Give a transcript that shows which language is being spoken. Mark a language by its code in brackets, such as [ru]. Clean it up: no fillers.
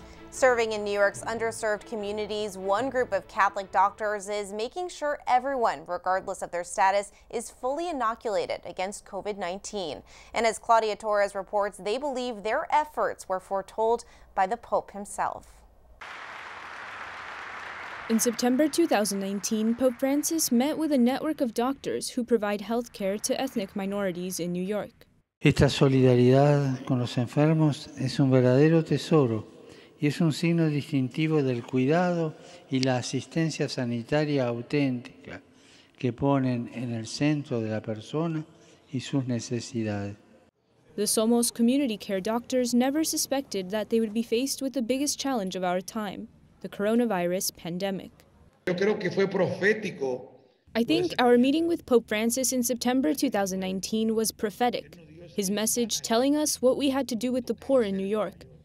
[en] Serving in New York's underserved communities, one group of Catholic doctors is making sure everyone, regardless of their status, is fully inoculated against COVID-19. And as Claudia Torres reports, they believe their efforts were foretold by the Pope himself. In September 2019, Pope Francis met with a network of doctors who provide health care to ethnic minorities in New York. [es] Esta solidaridad con los enfermos es un verdadero tesoro. Y es un signo distintivo del cuidado y la asistencia sanitaria auténtica que ponen en el centro de la persona y sus necesidades. [en] The Somos community care doctors never suspected that they would be faced with the biggest challenge of our time, the coronavirus pandemic. [es] Yo creo que fue profético. [en] I think our meeting with Pope Francis in September 2019 was prophetic. His message telling us what we had to do with the poor in New York.